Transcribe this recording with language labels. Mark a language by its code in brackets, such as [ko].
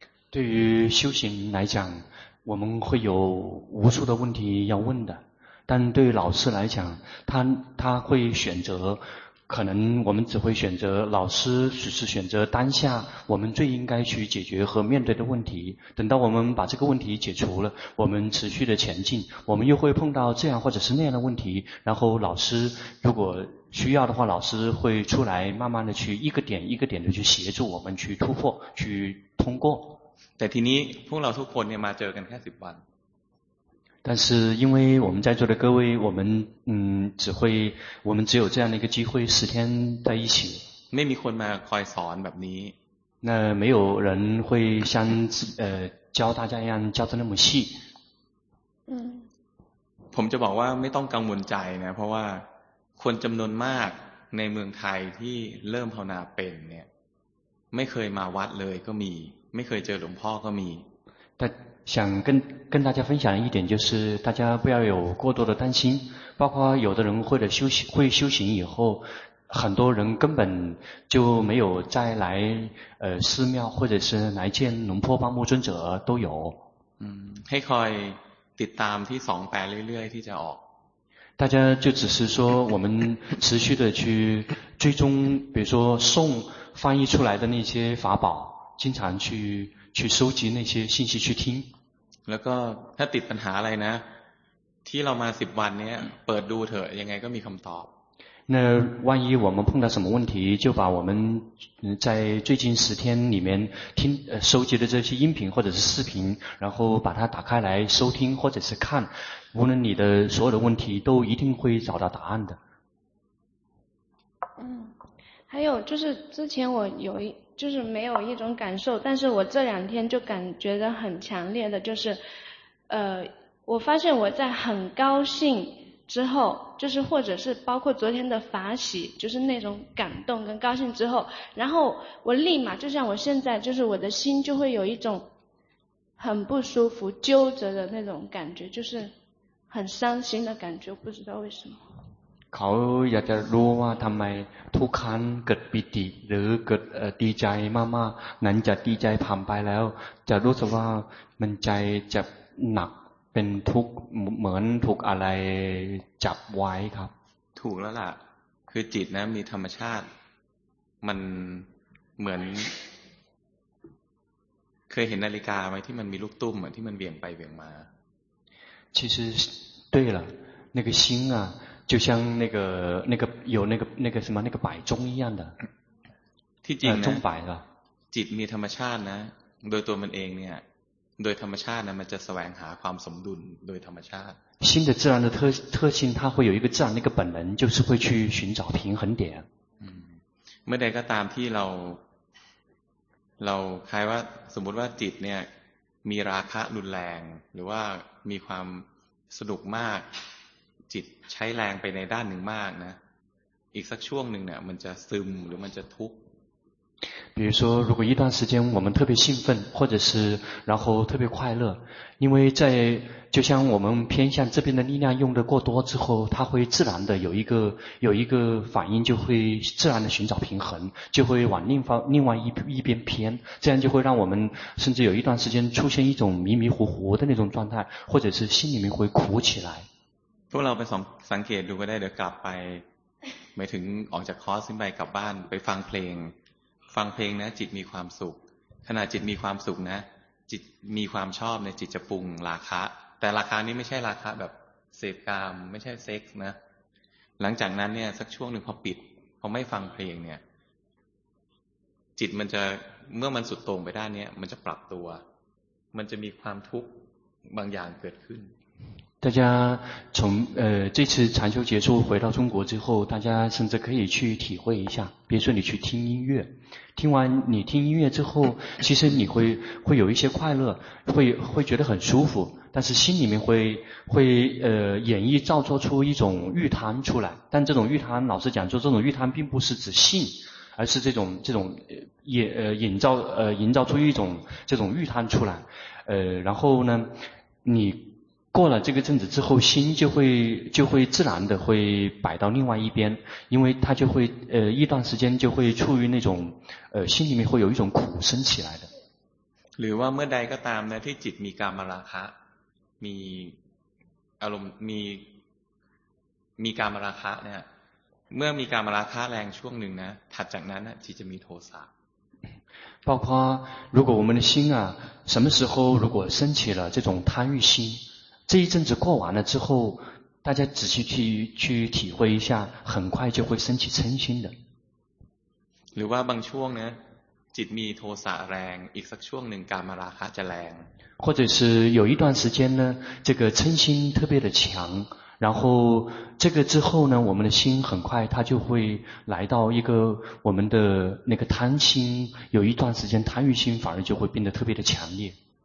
[zh] 对于修行来讲我们会有无数的问题要问的但对于老师来讲他会选择可能我们只会选择老师只是选择当下我们最应该去解决和面对的问题等到我们把这个问题解除了我们持续的前进我们又会碰到这样或者是那样的问题然后老师如果需要的话老师会出来慢慢的去一个点一个点的去协助我们去突破去通过 [th] แต่ทีนี้พวกเราทุกคนเนี่ยมาเจอกันแค่10วัน [zh] 但是因为我们在座的各位我们只有这样的一个机会十天在一起 [th] ไม่มีคนมาคอยสอนแบบนี้ [zh] 那没有人会像教大家一样教得那么细 [th] ผมจะบอกว่าไม่ต้องกังวลใจนะเพราะว่าคนจำนวนมากในเมืองไทยที่เริ่มภาวนาเป็นเนี่ยไม่เคยมาวัดเลยก็มีไม่เคยเจอหลวงพ่อก็มี แต่ [zh] 想跟大家分享一点就是大家不要有过多的担心包括有的人会修行以后很多人根本就没有再来寺庙或者是来见龙婆巴木尊者都有 [th] ให้คอยติดตามที่สองแปดเรื่อยๆที่จะออก [zh] 大家就只是说我们持续的去追踪比如说送翻译出来的那些法宝经常去收集那些信息去听 [th] แล้วก็ถ้าติดปัญหาอะไรนะที่เรามา10วันเนี้ยเปิดดูเถอะยังไงก็มีคำตอบ [zh] 那万一我们碰到什么问题，就把我们在最近十天里面听收集的这些音频或者是视频，然后把它打开来收听或者是看，无论你的所有的问题都一定会找到答案的。嗯，还有就是之前我有一就是没有一种感受，但是我这两天就感觉得很强烈的，就是我发现我在很高兴之后，就是或者是包括昨天的法喜，就是那种感动跟高兴之后，然后我立马就像我现在，就是我的心就会有一种很不舒服揪着的那种感觉，就是很伤心的感觉，不知道为什么。 [th] เขาอยากจะรู้ว่าทำไมทุกครั้งเกิดปิติหรือเกิดดีใจมากๆนั้นจะดีใจผ่านไปแล้วจะรู้สึกว่ามันใจจะหนักเป็นทุกข์เหมือนถูกอะไรจับไว้ครับ ถูกแล้วล่ะคือจิตนะมีธรรมชาติมันเหมือนเคยเห็นนาฬิกาไหมที่มันมีลูกตุ้มอ่ะที่มันเวียงไปเวียงมา [zh] 其实对了那个心啊就像那个有那个什么那个摆钟一样的 [th] ที่จริงนะ [zh] 钟摆了 [th] จิตมีธรรมชาตินะโดยตัวมันเองเนี่ยโดยธรรมชาตินะมันจะแสวงหาความสมดุลโดยธรรมชาติ [zh] 心的自然的特性它会有一个自然的一个本能就是会去寻找平衡点 [th] เมื่อใดก็ตามที่เราคล้ายว่าสมมติว่าจิตเนี่ยมีราคะรุนแรงหรือว่ามีความสนุกมากจิตใช้แรงไปในด้านหนึ่งมากนะอีกสักช่วงหนึ่งเนี่ยมันจะซึมหรือมันจะทุกข์ [zh] 比如说如果一段时间我们特别兴奋或者是然后特别快乐因为在就像我们偏向这边的力量用得过多之后它会自然的有一个反应就会自然的寻找平衡就会往另外一边偏这样就会让我们甚至有一段时间出现一种迷迷糊糊的那种状态或者是心里面会苦起来 [th] พวกเราไปสังเกตดูก็ได้เดี๋ยวกลับไปไม่ถึงออกจากคอร์สไปกลับบ้านไปฟังเพลงฟังเพลงนะจิตมีความสุขขณะจิตมีความสุขนะจิตมีความชอบเนี่ยจิตจะปรุงราคะแต่ราคานี้ไม่ใช่ราคะแบบเสพกามไม่ใช่เซ็กส์นะหลังจากนั้นเนี่ยสักช่วงหนึ่งพอไม่ฟังเพลงเนี่ยจิตมันจะเมื่อมันสุดโต่งไปด้านนี้มันจะปรับตัวมันจะมีความทุกข์บางอย่างเกิดขึ้น [zh] 大家从这次禅修结束回到中国之后，大家甚至可以去体会一下。比如说你去听音乐，听完你听音乐之后，其实你会有一些快乐，会觉得很舒服，但是心里面会演绎造作出一种欲贪出来。但这种欲贪，老实讲说，这种欲贪并不是指性，而是这种营造出一种这种欲贪出来。然后呢，你。过了这个阵子之后心就会自然的会摆到另外一边因为它就会一段时间就会处于那种心里面会有一种苦生起来的 [th] หรือว่าเมื่อใดก็ตามนะที่จิตมีกามราคะมีอารมณ์มีกามราคะเนี่ยเมื่อมีกามราคะแรงช่วงหนึ่งนะถัดจากนั้นนะจิตจะมีโทสะ [zh] 包括如果我们的心啊什么时候如果升起了这种贪欲心这一阵子过完了之后大家仔细去体会一下很快就会升起嗔心的 [th] หรือว่าบางช่วงนะจิตมีโทสะแรงอีกสักช่วงหนึ่งกามราคะจะแรง [zh] 或者是有一段时间呢这个嗔心特别的强然后这个之后呢我们的心很快它就会来到一个我们的那个贪心有一段时间贪欲心反而就会变得特别的强烈